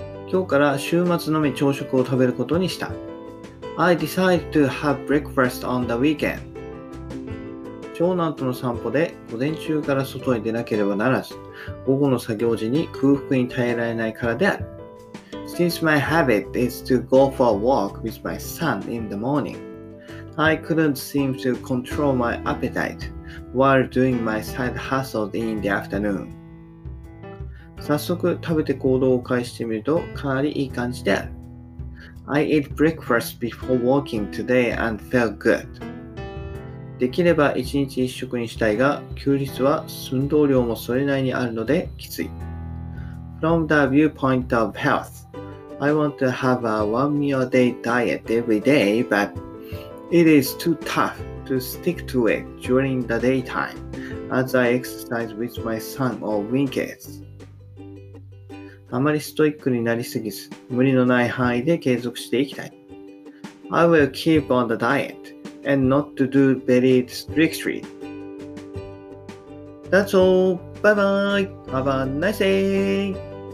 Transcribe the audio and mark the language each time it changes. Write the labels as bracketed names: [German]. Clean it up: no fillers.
[Japanese] 今日から週末のみ朝食を食べることにした。 [English] I decide to have breakfast on the weekend. [Japanese] 長男との散歩で午前中から外へ出なければならず、午後の作業時に空腹に耐えられないからである。 [English] Since my habit is to go for a walk with my son in the morning, I couldn't seem to control my appetite while doing my side hustle in the afternoon. [Japanese] 早速食べて行動を開始してみるとかなりいい感じである。 [English] I ate breakfast before walking today and felt good. [Japanese] できれば1日1食にしたいが、休日は運動量もそれなりにあるのできつい。 [English] From the viewpoint of health, I want to have a one meal a day diet every day, but it is too tough to stick to it during the daytime as I exercise with my son or winkets. [Japanese] あまりストイックになりすぎず、無理のない範囲で継続していきたい。 [English] I will keep on the diet and not to do very strictly. That's all. Bye bye. Have a nice day.